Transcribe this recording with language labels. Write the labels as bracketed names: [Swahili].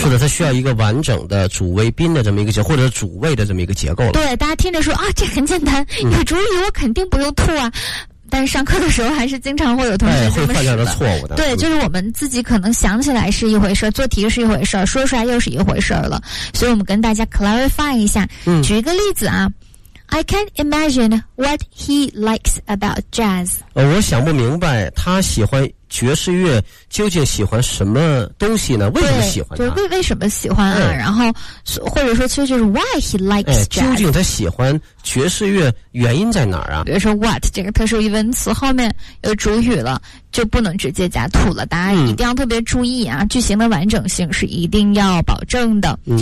[Chinese] 是的，它需要一个完整的主谓宾的这么一个结构，或者主谓的这么一个结构了。对，大家听着说啊，这很简单，有主语我肯定不用 to 啊。但是上课的时候还是经常会有同学这么犯错误的。对，就是我们自己可能想起来是一回事，做题是一回事，说出来又是一回事了，所以我们跟大家 clarify 一下。举一个例子啊， [English] I can't imagine what he likes about jazz。 [Chinese] 我想不明白他喜欢爵士乐究竟喜欢什么东西呢，为什么喜欢，就为什么喜欢啊，然后或者说其实就是 [English] why he likes jazz， [Chinese] 究竟他喜欢爵士乐原因在哪儿啊，比如说 what 这个特殊疑问词后面有主语了，就不能直接加 to 了，大家一定要特别注意啊，句型的完整性是一定要保证的。